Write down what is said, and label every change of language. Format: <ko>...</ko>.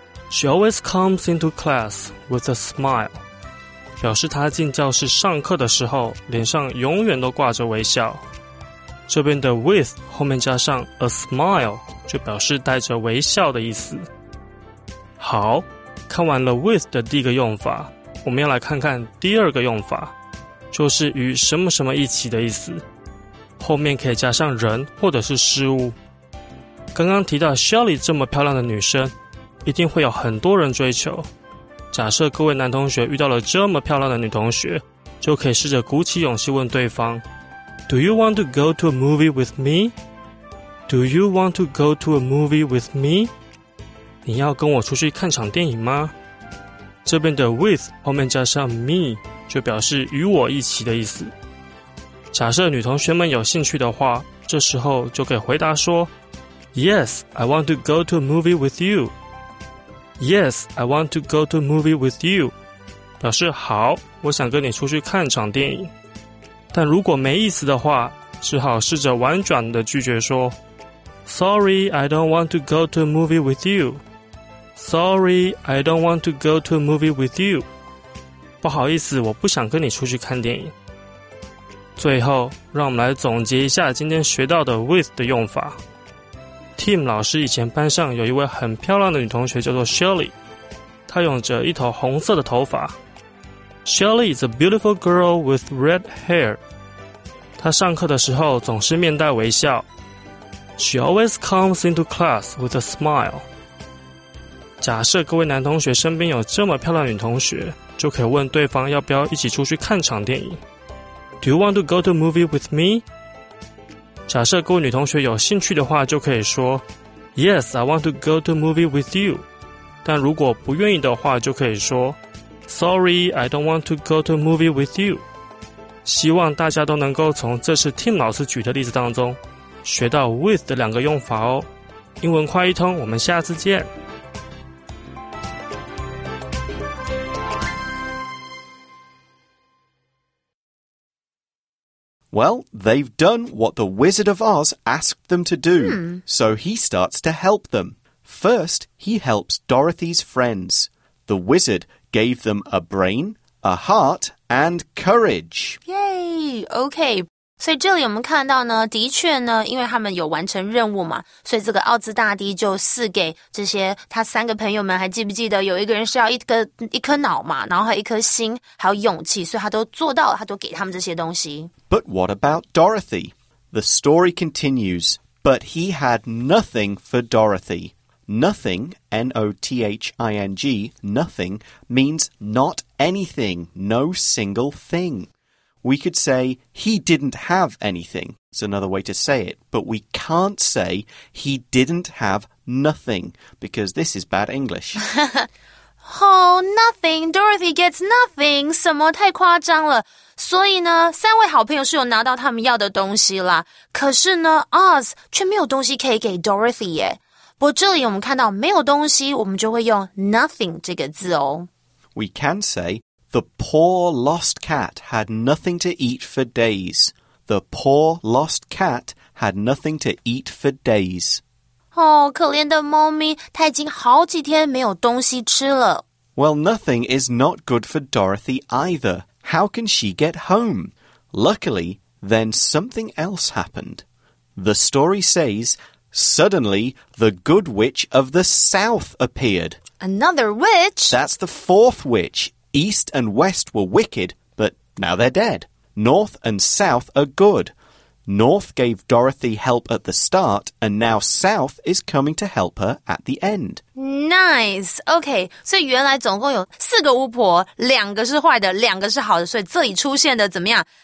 <en>She always comes into class with a smile.</en> <zh>表示他进教室上课的时候，脸上永远都挂着微笑。这边的 with 后面加上 a smile， 就表示带着微笑的意思。好，看完了 with 的第一个用法，我们要来看看第二个用法，就是与什么什么一起的意思。后面可以加上人或者是事物。刚刚提到 Shelley 这么漂亮的女生，一定会有很多人追求。假设各位男同学遇到了这么漂亮的女同学，就可以试着鼓起勇气问对方</zh> <en>Do you want to go to a movie with me? Do you want to go to a movie with me?</en> <zh>你要跟我出去看场电影吗？这边的 with 后面加上 me 就表示与我一起的意思。假设女同学们有兴趣的话，这时候就可以回答说</zh> <en>Yes, I want to go to a movie with you. Yes, I want to go to a movie with you.</en> <zh>表示好，我想跟你出去看场电影。但如果没意思的话，只好试着婉转的拒绝说</zh> <en>Sorry, I don't want to go to a movie with you. Sorry, I don't want to go to a movie with you.</en> <zh>不好意思，我不想跟你出去看电影。最后，让我们来总结一下今天学到的 with 的用法。 Tim 老师以前班上有一位很漂亮的女同学叫做 Shirley， 她有着一头红色的头发。</zh> <en>Shirley is a beautiful girl with red hair.</en> <zh>她上课的时候总是面带微笑。</zh> <en>She always comes into class with a smile.</en> <zh>假设各位男同学身边有这么漂亮的女同学，就可以问对方要不要一起出去看场电影。</zh> <en>Do you want to go to a movie with me?</en> <zh>假设各位女同学有兴趣的话，就可以说</zh> <en>Yes, I want to go to a movie with you.</en> <zh>但如果不愿意的话，就可以说</zh> <en>Sorry, I don't want to go to a movie with you.</en> <zh>希望大家都能够从这次 Tim 老师举的例子当中学到 with 的两个用法哦。英文快一通，我们下次见。</zh> <en>Well, they've done what the Wizard of Oz asked them to do, so he starts to help them. First, he helps Dorothy's friends. The wizard gave them a brain, a heart, and courage. Yay! Okay.</en> <zh>所以这里我们看到呢，的确呢，因为他们有完成任务嘛，所以这个奥兹大帝就赐给这些他三个朋友们，还记不记得有一个人需要一颗脑嘛，然后还有一颗心，还有勇气，所以他都做到了，他都给他们这些东西。</zh> <en>But what about Dorothy? The story continues, but he had nothing for Dorothy. Nothing, N-O-T-H-I-N-G, nothing, means not anything, no single thing. We could say he didn't have anything. It's another way to say it. But we can't say he didn't have nothing because this is bad English. Oh, nothing. Dorothy gets nothing.</en> <zh>什么太夸张了。所以呢三位好朋友是有拿到他们要的东西啦。可是呢 Oz 却没有东西可以给 Dorothy 耶。不过这里我们看到没有东西我们就会用 nothing 这个字哦。</zh> <en>We can say,The poor lost cat had nothing to eat for days. The poor lost cat had nothing to eat for days.</en> <zh>Oh, 可怜的猫咪，它已经好几天没有东西吃了。</zh> <en>Well, nothing is not good for Dorothy either. How can she get home? Luckily, then something else happened. The story says, suddenly, the good witch of the south appeared. Another witch? That's the fourth witch. East and West were wicked, but now they're dead. North and South are good. North gave Dorothy help at the start, and now South is coming to help her at the end. Nice!</en> <zh>Okay, so 原来总共有四个巫婆，两个是坏的，两个是好的，所以这里出现的怎么样？</zh>